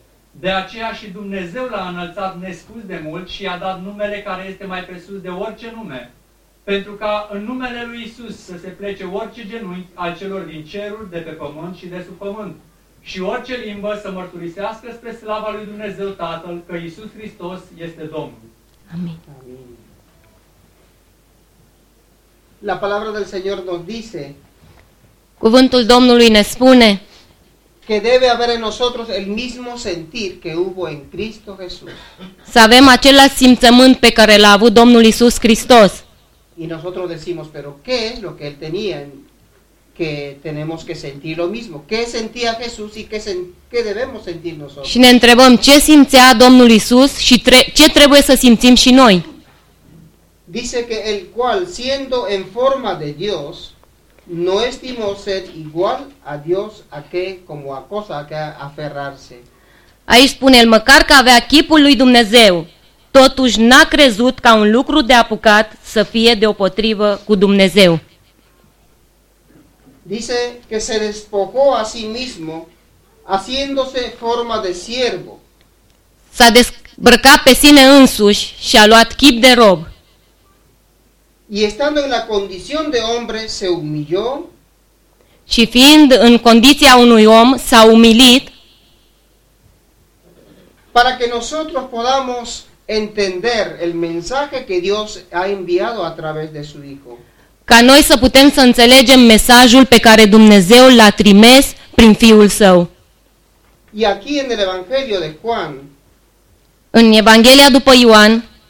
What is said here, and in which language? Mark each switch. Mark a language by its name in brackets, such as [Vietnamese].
[Romanian] De aceea și Dumnezeu l-a înălțat nespus de mult și i-a dat numele care este mai presus de orice nume, pentru ca în numele lui Iisus să se plece orice genunchi al celor din cerul, de pe pământ și de sub pământ, și orice limbă să mărturisească spre slava lui Dumnezeu Tatăl că Iisus Hristos este Domnul. Amin. [Spanish] La palabra del Señor nos dice. [Romanian] Cuvântul Domnului ne spune. [Spanish] Que debe haber en nosotros el mismo sentir que hubo en Cristo Jesús. [Romanian] Să avem același simțământ pe care l-a avut Domnul Iisus Hristos. [Spanish] Y nosotros decimos, pero ¿qué es lo que él tenía? Que tenemos que sentir lo mismo. ¿Qué sentía Jesús y qué debemos sentir nosotros? [Romanian] Și ne întrebăm ce simțea Domnul Iisus și ce trebuie să simțim și noi. [Spanish] Dice que el cual siendo en forma de Dios no estimó ser igual a Dios a que como a cosa a que aferrarse. [Romanian] Aici spune el măcar că avea chipul lui Dumnezeu, totuși n-a crezut ca un lucru de apucat să fie deopotrivă cu Dumnezeu. [Spanish] Dice que se despojó a sí mismo, haciéndose forma de siervo. [Romanian] S-a dezbrăcat pe sine însuși și a luat chip de rob. [Spanish] Y estando en la condición de hombre se humilló. [Romanian] Și fiind în condiția unui om s-a umilit. [Spanish] para que nosotros podamos entender el mensaje que Dios ha enviado a través de su Hijo. [Romanian] Ca noi să putem să înțelegem mesajul pe care Dumnezeu l-a trimis prin Fiul Său. [Spanish] Y aquí en el Evangelio de Juan, [Romanian] în Evanghelia după Ioan,